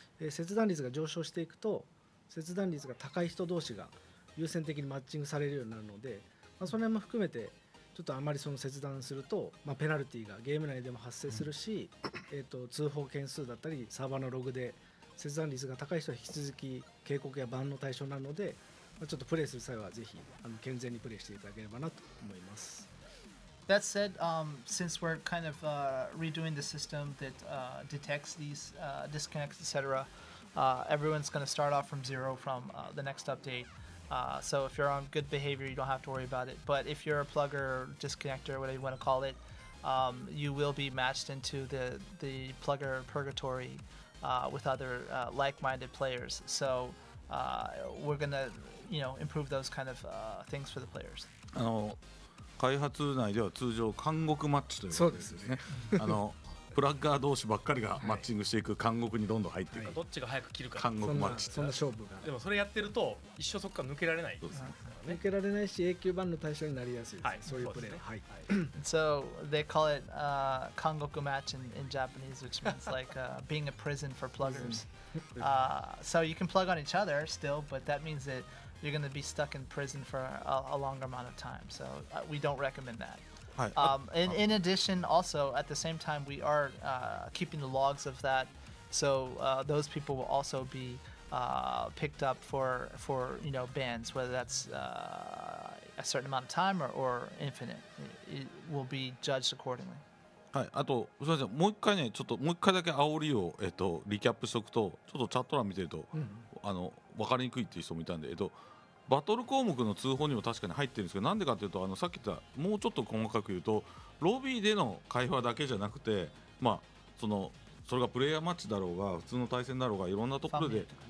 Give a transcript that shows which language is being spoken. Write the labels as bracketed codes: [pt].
[ja] 切断率が上昇していくと、切断率が高い人同士が優先的にマッチングされるようになるので、まあ、その辺も含めてちょっとあまりその切断すると、まあ、ペナルティがゲーム内でも発生するし、通報件数だったりサーバーのログで切断率が高い人は引き続き警告やバンの対象なので、まあ、ちょっとプレイする際はぜひ健全にプレイしていただければなと思います。 [en] That said, since we're kind of redoing the system that detects these disconnects, etc. Everyone's going to start off from zero from the next updateso if you're on good behavior, you don't have to worry about it. But if you're a plugger, disconnector, whatever you want to call it, you will be matched into the plugger purgatory with other like-minded players. So we're gonna, you know, improve those kind of things for the players. [ja] 開発内では通常監獄マッチというそうですね。プラッガー同士ばっかりがマッチングしていく監獄にどんどん入っていく、はい、どっちが早く切るか監獄マッチってそんな勝負がでもそれやってると一生そこから抜けられないそうです、ね、抜けられないし永久バンの対象になりやすいです、はい、そういうプレー、ね、はい、 [en] So they call it 監獄マッチ in Japanese, which means like being a prison for pluggers. So you can plug on each other still, but that means that you're going to be stuck in prison for a longer amount of time. So we don't recommend that. [ja] はい、 [en] In addition, also at the same time, we are keeping the logs of that, so those people will also be picked up for you know, bans, whether that's a certain amount of time or infinite, it will be judged accordingly. [ja] はい、あとすみません、もう一回ね、ちょっともう一回だけ煽りを、リキャップしておくと、ちょっとチャット欄見てると、うん、分かりにくいっていう人もいたんで、バトル項目の通報にも確かに入ってるんですけど、なんでかというと、さっき言ったもうちょっと細かく言うと、ロビーでの会話だけじゃなくて、まあ、それがプレイヤーマッチだろうが普通の対戦だろうが、いろんなところで